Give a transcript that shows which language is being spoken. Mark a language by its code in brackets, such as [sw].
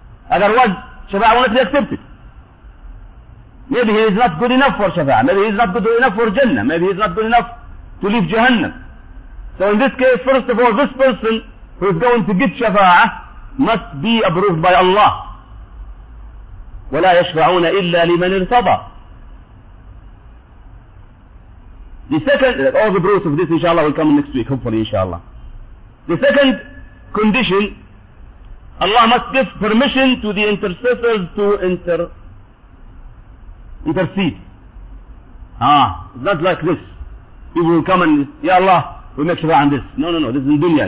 [en] Otherwise, shafa'ah will not be accepted. Maybe he is not good enough for shafa'ah. Maybe he is not good enough for Jannah. Maybe he is not good enough to leave Jahannam. So in this case, first of all, this person who is going to get shafa'ah must be approved by Allah [ar] ولا يشفعون إلا لمن ارتضى. [en] The second, all the proofs of this inshallah will come next week, hopefully inshallah. The second condition, Allah must give permission to the intercessors to intercede. It's not like this. People will come and, Ya Allah, we make shafa on this. No, this is in dunya.